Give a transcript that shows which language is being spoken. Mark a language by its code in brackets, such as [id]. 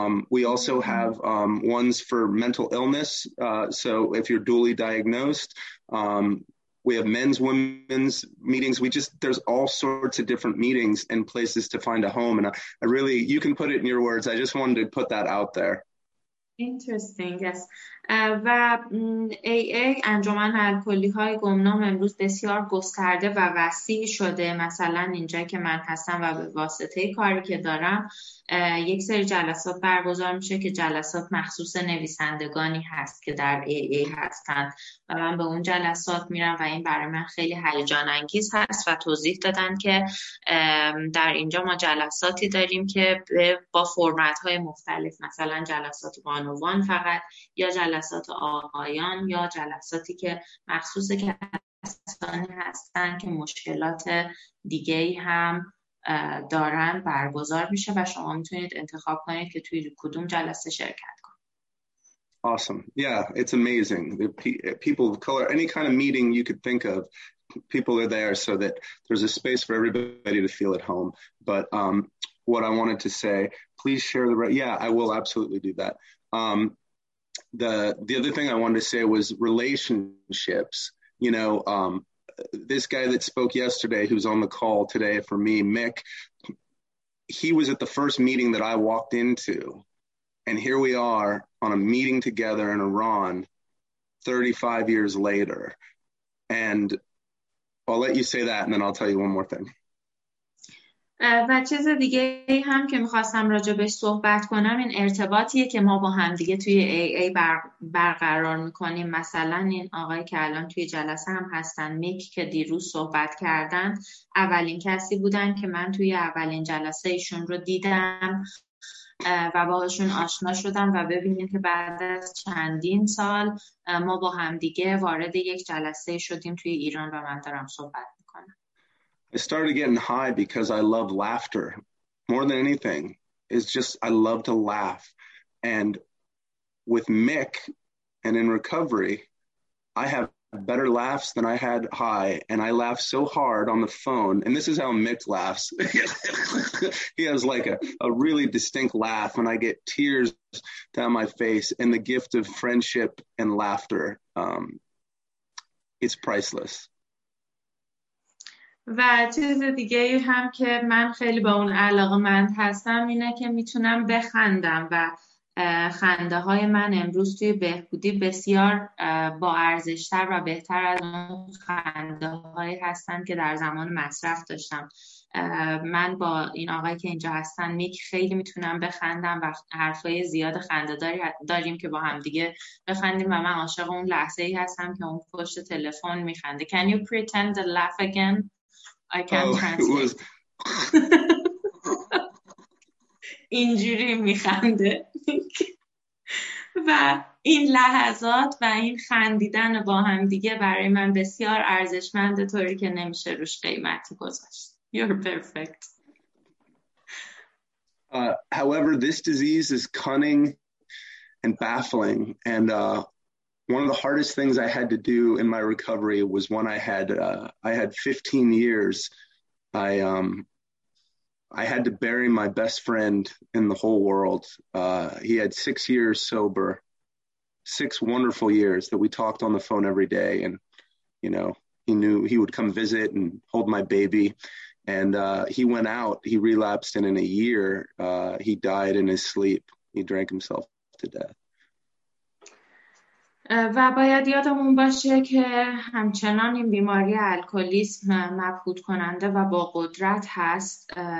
[en] We also have ones for mental illness. So if you're duly diagnosed, we have men's, women's meetings. There's all sorts of different meetings and places to find a home. And I really, you can put it in your words. I just wanted to put that out there. Interesting, yes. [fa] و AA انجمن الکلی های گمنام امروز بسیار گسترده و وسیع شده. مثلا اینجا که من هستم و به واسطه کاری که دارم یک سری جلسات برگزار میشه که جلسات مخصوص نویسندگانی هست که در AA هستند و من به اون جلسات میرم و این برای من خیلی هیجان انگیز هست و توضیح دادن که در اینجا ما جلساتی داریم که با فرمت های مختلف، مثلا جلسات بانوان فقط یا جلسات آقایان یا جلساتی که مخصوص کسانی هستند که مشکلات دیگه‌ای هم دارن برگزار میشه و شما میتونید انتخاب کنید که توی کدوم جلسه شرکت کنید. [en] Awesome. Yeah, it's amazing. The people of color, any kind of meeting you could think of, people are there so that there's a space for everybody to feel at home. But what I wanted to say, please share the yeah, I will absolutely do that. The other thing I wanted to say was relationships. You know, this guy that spoke yesterday, who's on the call today for me, Mick, he was at the first meeting that I walked into. And here we are on a meeting together in Iran 35 years later. And I'll let you say that and then I'll tell you one more thing. [fa] و چیز دیگه هم که میخواستم راجع بهش صحبت کنم این ارتباطیه که ما با هم دیگه توی AA برقرار میکنیم. مثلا این آقایی که الان توی جلسه هم هستن، میک، که دیروز صحبت کردن، اولین کسی بودن که من توی اولین جلسه ایشون رو دیدم و باهاشون آشنا شدم و ببینیم که بعد از چندین سال ما با هم دیگه وارد یک جلسه شدیم توی ایران و من دارم صحبت. [en] I started getting high because I love laughter more than anything. It's just, I love to laugh. And with Mick and in recovery, I have better laughs than I had high. And I laugh so hard on the phone. And this is how Mick laughs. He has like a really distinct laugh and I get tears down my face. And the gift of friendship and laughter, it's priceless. [fa] و چیز دیگه هم که من خیلی با اون علاقه مند هستم اینه که میتونم بخندم و خنده های من امروز توی بهبودی بسیار با ارزشتر و بهتر از اون خنده هایی هستم که در زمان مصرف داشتم. من با این آقایی که اینجا هستن، میک، خیلی میتونم بخندم و حرفای زیاد خنده داریم که با هم دیگه بخندیم و من عاشق اون لحظه ای هستم که اون پشت تلفن میخنده. [en] Can you pretend to laugh again? I can't translate. [fa] اینجوری میخنده و این لحظات و این خندیدن با هم دیگه برای من بسیار ارزشمنده، طوری که نمیشه روش قیمتی گذاشت. [en] You're perfect. However, this disease is cunning and baffling, and one of the hardest things I had to do in my recovery was when I had 15 years. I had to bury my best friend in the whole world. He had 6 years sober, six wonderful years that we talked on the phone every day. And, you know, he knew he would come visit and hold my baby. And he went out, he relapsed. And in a year, he died in his sleep. He drank himself to death. [fa] و باید یادمون باشه که همچنان این بیماری الکلیسم مبهوت کننده و با قدرت هست.